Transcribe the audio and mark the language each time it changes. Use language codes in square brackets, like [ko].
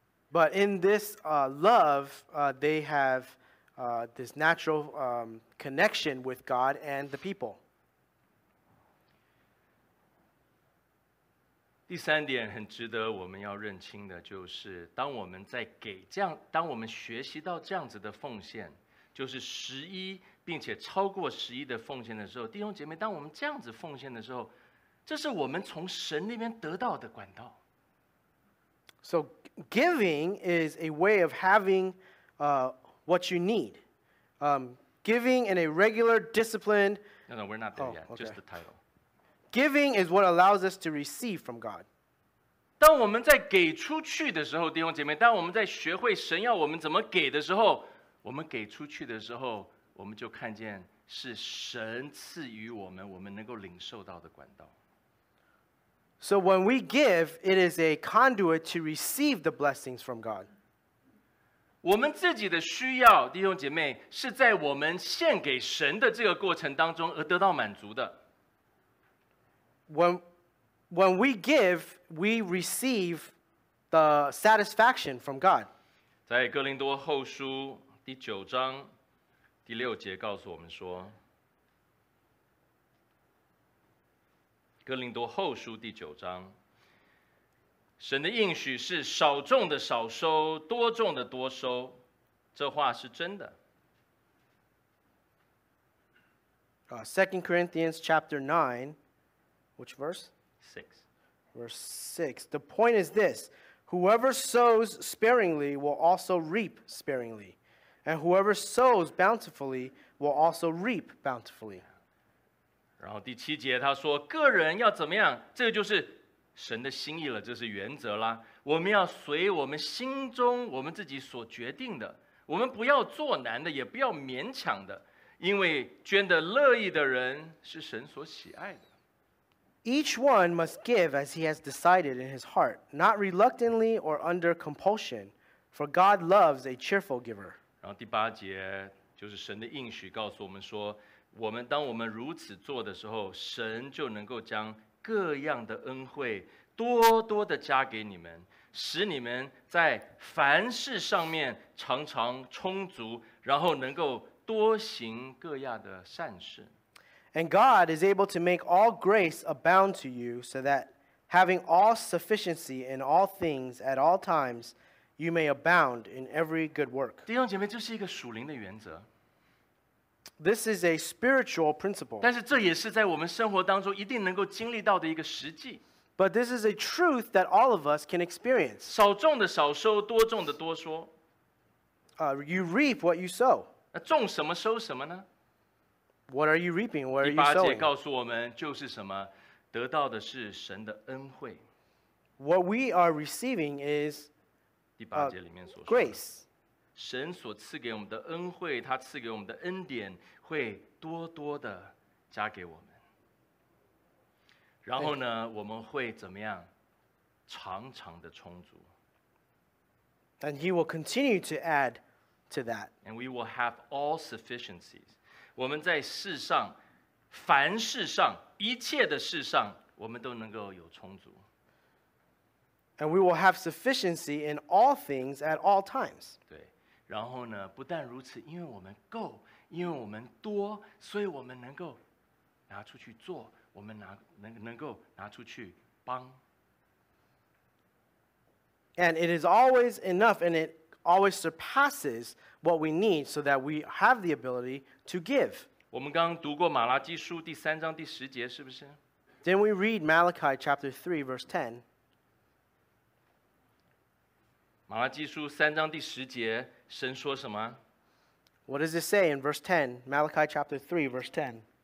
[en] But in this love, they have this natural connection with God and the people. [zh] 第三点很值得我们要认清的，就是当我们在给这样，当我们学习到这样子的奉献，就是十一并且超过十一的奉献的时候，弟兄姐妹，当我们这样子奉献的时候，这是我们从神那边得到的管道。 [en] So giving is a way of having what you need. Giving in a regular disciplined. No, we're not there yet. Okay. Just the title. Giving is what allows us to receive from God. [zh] 当我们在给出去的时候，弟兄姐妹，当我们在学会神要我们怎么给的时候，我们给出去的时候，我们就看见是神赐予我们，我们能够领受到的管道。 [en] So when we give, it is a conduit to receive the blessings from God. [zh] 我们自己的需要，弟兄姐妹，是在我们献给神的这个过程当中而得到满足的。 [en] When we give, we receive the satisfaction from God. [zh] 在哥林多后书第九章第六节告诉我们说，哥林多后书第九章，神的应许是少种的少收，多种的多收，这话是真的。 [en] 2 Corinthians chapter 9. Which verse? 6. Verse 6. The point is this. Whoever sows sparingly will also reap sparingly. And whoever sows bountifully will also reap bountifully. [zh] 然后第七节他说个人要怎么样，这就是神的心意了，这是原则啦。我们要随我们心中我们自己所决定的，我们不要做难的，也不要勉强的，因为捐得乐意的人是神所喜爱的。 [en] Each one must give as he has decided in his heart, not reluctantly or under compulsion, for God loves a cheerful giver. [zh] 然后第八节就是神的应许告诉我们说，我们当我们如此做的时候，神就能够将各样的恩惠多多的加给你们，使你们在凡事上面常常充足，然后能够多行各样的善事。 [en] And God is able to make all grace abound to you, so that having all sufficiency in all things at all times, you may abound in every good work. [zh] 弟兄姐妹，这是一个属灵的原则。 [en] This is a spiritual principle. [zh] 但是这也是在我们生活当中一定能够经历到的一个实际。 [en] But this is a truth that all of us can experience. [zh] 少种的少收，多种的多说。 [en] You reap what you sow. [zh] 那种什么收什么呢？ [en] What are you reaping? What are you sowing? [zh] 第八节告诉我们，就是什么，得到的是神的恩惠。 [en] What we are receiving is grace. [zh] 神所赐给我们的恩惠，他赐给我们的恩典，会多多的加给我们。然后呢，我们会怎么样？常常的充足。 [en] And he will continue to add to that. And we will have all sufficiencies. [zh] 我们在世上，凡事上，一切的事上，我们都能够有充足。 [en] And we will have sufficiency in all things at all times. [zh] 对，然后呢，不但如此，因为我们够，因为我们多，所以我们能够拿出去做，我们能够拿出去帮。 [en] And it is always enough, and it always surpasses what we need so that we have the ability to give. [zh] 我们刚读过马拉基书第三章第十节，是不是？ [en] Then we read Malachi chapter 3 verse 10. [zh] 马拉基书三章第十节，神说什么？ [en] What does it say in verse 10? Malachi chapter 3 verse 10.